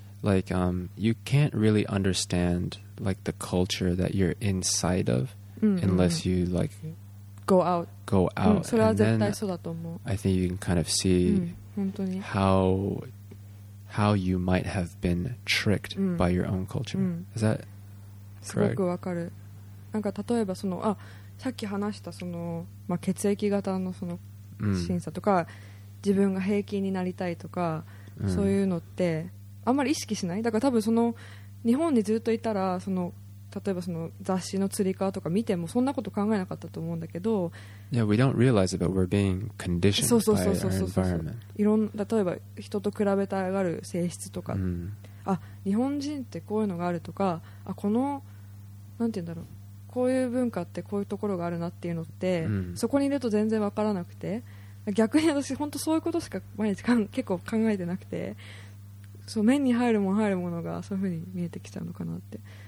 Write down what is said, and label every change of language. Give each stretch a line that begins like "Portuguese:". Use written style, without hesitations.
English: like you can't really understand like the culture that you're inside of. Unless you like go out、うん、 and then I think you can kind of see、うん、 how you might have been tricked、うん、by your own culture、うん、is that correct?
Japanese: すごくわかる。なんか例えばそのあさっき話したその、まあ、血液型のその審査とか、うん、自分が平均になりたいとか、うん、そういうのってあんまり意識しない。だから多分その日本にずっといたらその例えばその雑誌の釣り革とか見てもそんなこと考えなかったと思うんだけど、
English: Yeah, we don't realize it, but we're being conditioned by our environment.
Japanese: いろんな例えば人と比べたがる性質とか、 mm. あ、日本人ってこういうのがあるとか、あ、このなんていうんだろう、こういう文化ってこういうところがあるなっていうのって、mm. そこにいると全然わからなくて、逆に私本当そういうことしか毎日結構考えてなくて、そう目に入るものがそういうふうに見えてきちゃうのかなって。